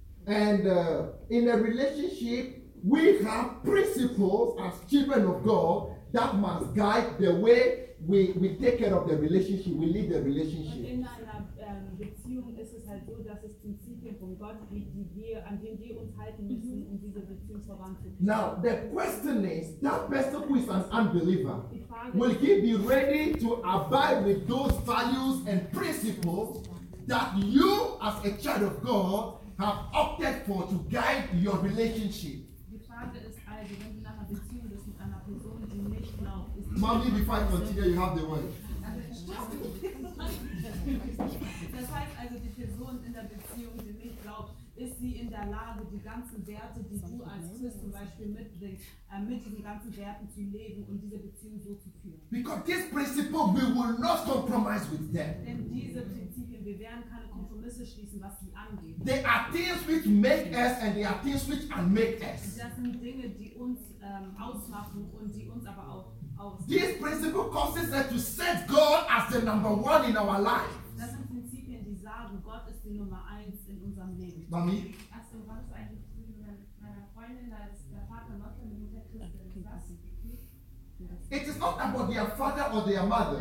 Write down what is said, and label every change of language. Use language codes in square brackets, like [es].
[en] And in a relationship, we have principles as children of God that must guide the way we take care of the relationship, we lead the relationship. [de] In einer Beziehung ist es halt so, dass es Prinzipien von Gott gibt, die wir, an denen wir uns halten müssen, um diese Beziehung voranzubringen. [en] Now, the question is, that person who is an unbeliever, will he be ready to abide with those values and principles that you, as a child of God, have opted for to guide your relationship? [de] Die Frage ist also, wenn du nach einer Beziehung bist mit einer Person, die nicht glaubt, [en] Mommy, before I continue, you have the word. [de] Das heißt also, die Person in der Beziehung, die nicht glaubt, ist sie in der Lage, die ganzen Werte, die du als Christ zum Beispiel mitbringst, mit diesen ganzen Werten zu leben und diese Beziehung so zu führen. [en] Because this principle, we will not compromise with them. [de] Denn diese Prinzipien, wir werden keine Kompromisse schließen, was sie angeht. [en] They are things which make us and they are things which unmake us. [de] Das sind Dinge, die uns ausmachen und die uns aber auch. [en] This principle causes us to set God as the number one in our life. [de] Das sind Prinzipien, die sagen, Gott ist die Nummer eins in unserem Leben. Mami? Also, was ist eigentlich mit meiner Freundin, als der Vater noch in der Christen? [en] It is not about their father or their mother.